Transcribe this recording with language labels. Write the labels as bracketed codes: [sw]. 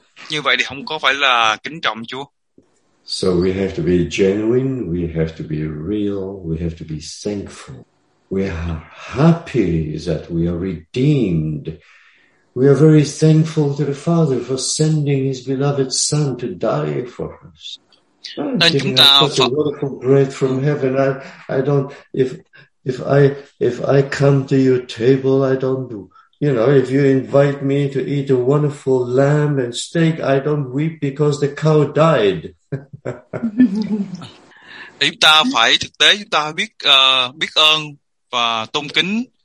[vi] Như vậy thì không có phải là kính trọng Chúa. [en] So we have to be genuine, we have to be real, we have to be thankful. We are happy that we are redeemed. We are very thankful to the Father for sending his beloved son to die for us. [vi] Nên chúng ta [en] such a wonderful bread from heaven. If I come to your table, I don't do. You know, if you invite me to eat a wonderful lamb and steak, I don't weep because the cow died. [vi] Chúng ta phải thực tế chúng ta biết biết ơn và tôn kính.